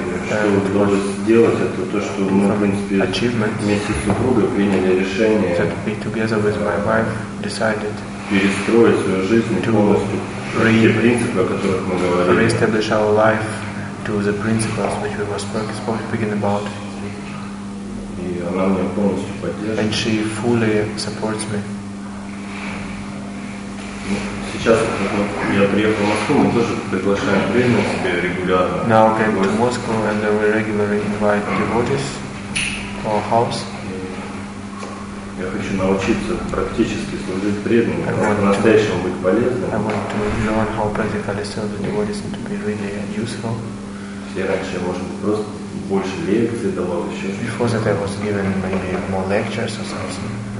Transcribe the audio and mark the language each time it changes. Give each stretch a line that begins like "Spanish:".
Russian: Что удалось сделать, это то, что мы, в принципе, вместе с супругой приняли решение перестроить свою жизнь полностью те принципы, о которых мы говорили.
English: Re-establish our life to the principles which we were speaking about.
Russian: И она меня полностью поддерживает.
English: And she fully supports me.
Russian: Сейчас я приехал в Москву, мы тоже приглашаем преданных себе регулярно.
English: Now I came to Moscow and we regularly invite devotees to our house.
Russian: Я хочу научиться практически служить преданным, по-настоящему быть полезным.
English: I want to learn how practically serve the devotees and to be really useful.
Russian: Все раньше может быть просто больше лекций давал еще.
English: Before that I was given maybe more lectures or something.